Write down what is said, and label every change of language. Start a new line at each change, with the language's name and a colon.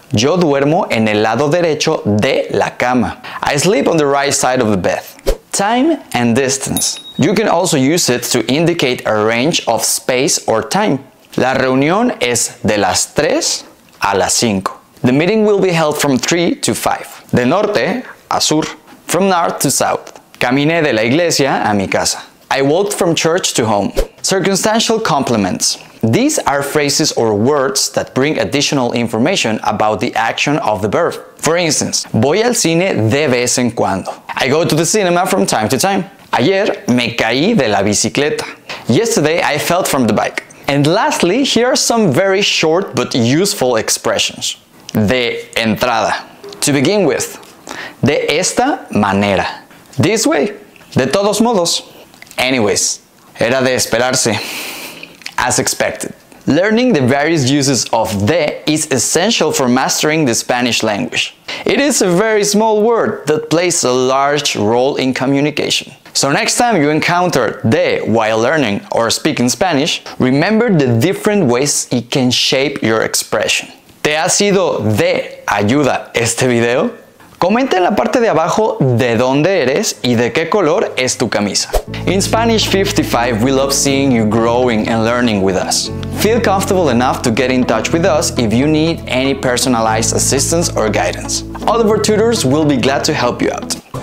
Spanish: Yo duermo en el lado derecho de la cama.
English: I sleep on the right side of the bed. Time and distance. You can also use it to indicate a range of space or time.
Spanish: La reunión es de las 3 a las 5.
English: The meeting will be held from 3 to 5.
Spanish: De norte a sur.
English: From north to south.
Spanish: Caminé de la iglesia a mi casa.
English: I walked from church to home. Circumstantial complements. These are phrases or words that bring additional information about the action of the verb. For instance,
Spanish: voy al cine de vez en cuando.
English: I go to the cinema from time to time.
Spanish: Ayer me caí de la bicicleta.
English: Yesterday I fell from the bike. And lastly, here are some very short but useful expressions.
Spanish: De entrada.
English: To begin with.
Spanish: De esta manera.
English: This way.
Spanish: De todos modos.
English: Anyways.
Spanish: Era de esperarse.
English: As expected. Learning the various uses of de is essential for mastering the Spanish language. It is a very small word that plays a large role in communication. So next time you encounter de while learning or speaking Spanish, remember the different ways it can shape your expression.
Spanish: ¿Te ha sido de ayuda este video? Comenta en la parte de abajo de dónde eres y de qué color es tu camisa.
English: In Spanish 55, we love seeing you growing and learning with us. Feel comfortable enough to get in touch with us if you need any personalized assistance or guidance. All of our tutors will be glad to help you out.